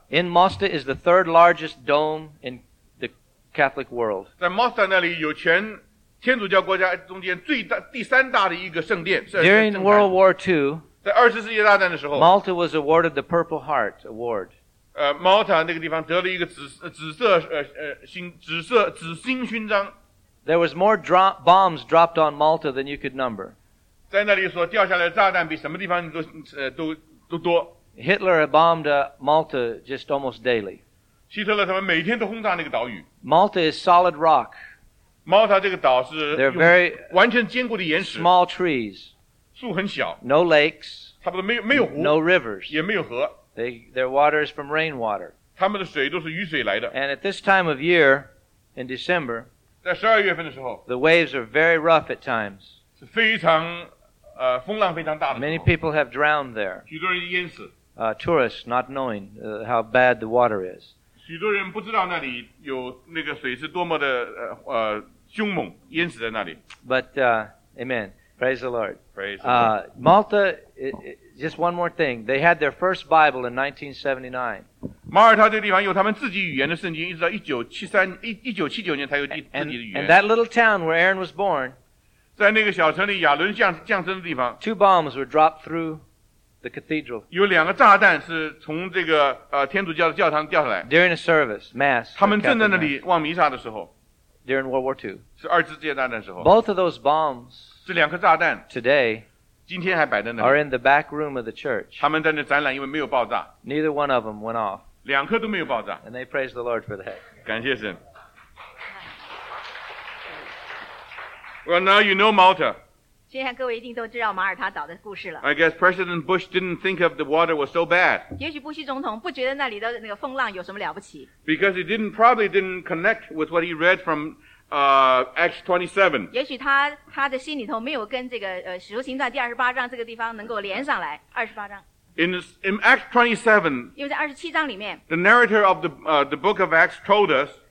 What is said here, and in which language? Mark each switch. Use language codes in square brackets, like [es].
[en] In Mosta is the third largest dome in the Catholic world. [zh] 在 Mosta 那里有全天主教国家中间最大第三大的一个圣殿。 [en] During World War II, [zh] 在二十世纪大战的时候 [en] Malta was awarded the Purple Heart Award. [zh] Malta 那个地方得了一个紫星勋章。 [en] There was more bombs dropped on Malta than you could number. [zh] 在那里所掉下来的炸弹比什么地方都多。 [en] Hitler bombed Malta just almost daily. [zh] 希特勒他们每天都轰炸那个岛屿。 [en] Malta is solid rock. [zh] Malta 这个岛是 [en] They're very [zh] 完全坚固的岩石。 [en] Small trees. [zh] 树很小 [en] no lakes, [zh] 差不多没有湖 [en] no rivers, [zh] 也没有河 [en] their water is from rainwater. [zh] 他们的水都是雨水来的 [en] And at this time of year, in December, [zh] 在十二月份的时候 [en] the waves are very rough at times. [zh] 是非常风浪非常大的时候 [en] Many people have drowned there. [zh] 许多人淹死 [en] Tourists not knowing how bad the water is. [zh] 许多人不知道那里有那个水是多么的凶猛淹死在那里 [en] But, amen. Praise the Lord. Praise the Lord. Malta, just one more thing. They had their first Bible in 1979. [zh] 马耳他这个地方有他们自己语言的圣经，一直到1979年才有自己的语言。 [en] And that little town where Aaron was born, [zh] 在那个小城里亚伦降生的地方 [en] two bombs were dropped through the cathedral. [zh] 有两个炸弹是从这个天主教的教堂掉下来。 [en] During a service, mass. [zh] 他们正在那里望弥撒的时候。 [en] During World War II. [zh] 是二次世界大战的时候。 [en] Both of those bombs. [zh] 这两颗炸弹。 [en] Today. [zh] 今天还摆在那里。 [en] Are in the back room of the church. [zh] 他们在那展览，因为没有爆炸。 [en] Neither one of them went off. [zh] 两颗都没有爆炸。 [en] And they praise the Lord for that. [zh] 感谢神。 [en] Well, now you know Malta. [zh] 现在各位一定都知道马耳他岛的故事了。 [en] I guess President Bush didn't think of the water was so bad. [zh] 也许布希总统不觉得那里的那个风浪有什么了不起。 [en] Because he didn't, probably didn't connect with what he read from, Acts 27. [zh] 也许他的心里头没有跟这个使徒行传第二十八章这个地方能够连上来。二十八章。 [en] In Acts 27. [zh] 因为在二十七章里面。 [en] The narrator of the book of Acts told us.